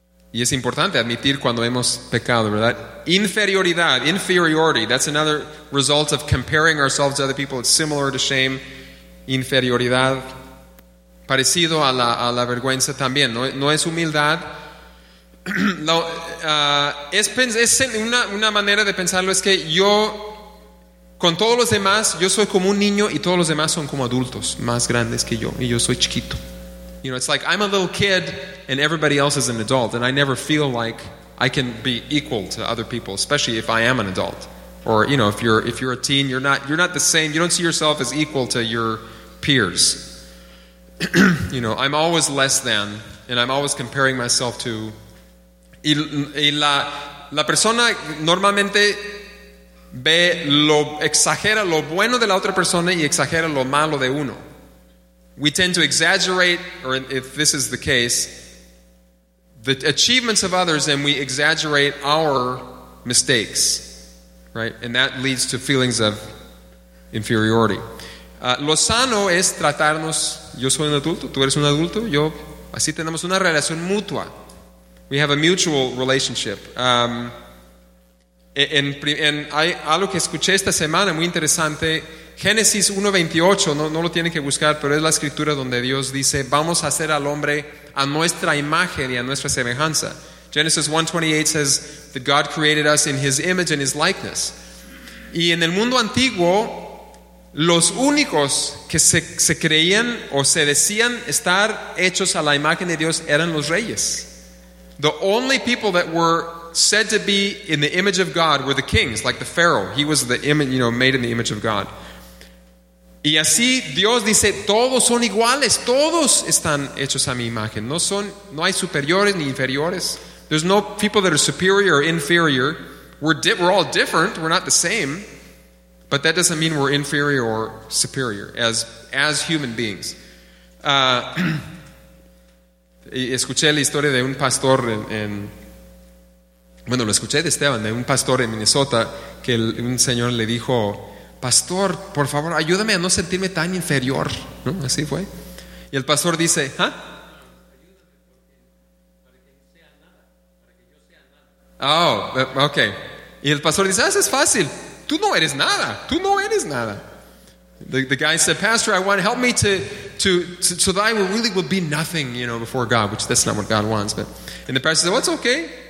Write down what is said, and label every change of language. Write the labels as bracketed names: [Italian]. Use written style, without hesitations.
[Spanish] Y es importante admitir cuando hemos pecado, ¿verdad? [English] Inferiority, that's another result of comparing ourselves to other people. It's similar to shame. [Spanish] Inferioridad, parecido a la vergüenza también, no es humildad. Una manera de pensarlo es que yo, con todos los demás, yo soy como un niño y todos los demás son como adultos, más grandes que yo, y yo soy chiquito. [English] You know, it's like I'm a little kid and everybody else is an adult, and I never feel like I can be equal to other people, especially if I am an adult. Or, you know, if you're a teen, you're not the same, you don't see yourself as equal to your peers. You know, I'm always less than, and I'm always comparing myself to. [Spanish] Y la persona normalmente ve exagera lo bueno de la otra persona y exagera lo malo de uno. [English] We tend to exaggerate, or if this is the case, the achievements of others, and we exaggerate our mistakes, right? And that leads to feelings of inferiority. [Spanish] Lo sano es tratarnos, yo soy un adulto, tú eres un adulto, yo, así tenemos una relación mutua. [English] We have a mutual relationship. [Spanish] Hay algo que escuché esta semana muy interesante, Génesis 1:28, no lo tienen que buscar, pero es la escritura donde Dios dice, vamos a hacer al hombre a nuestra imagen y a nuestra semejanza. [English] Genesis 1:28 says that God created us in his image and his likeness. [Spanish] Y en el mundo antiguo, los únicos que se creían o se decían estar hechos a la imagen de Dios eran los reyes. [English] The only people that were said to be in the image of God were the kings, like the Pharaoh. He was the image, you know, made in the image of God. [Spanish] Y así Dios dice, todos son iguales, todos están hechos a mi imagen. No hay superiores ni inferiores. [English] There's no people that are superior or inferior. We're all different. We're not the same. But that doesn't mean we're inferior or superior as human beings. [Spanish] Escuché la historia de un pastor lo escuché de Esteban, de un pastor en Minnesota, que un señor le dijo: pastor, por favor, ayúdame a no sentirme tan inferior, ¿no? Así fue. Y el pastor dice: ¿ah? Okay. Y el pastor dice: ah, eso es fácil. Tú no eres nada. Tú no eres nada. [English] The guy said, pastor, I want to help me to so that I will really will be nothing, you know, before God, which that's not what God wants. But and the pastor said, well, it's okay.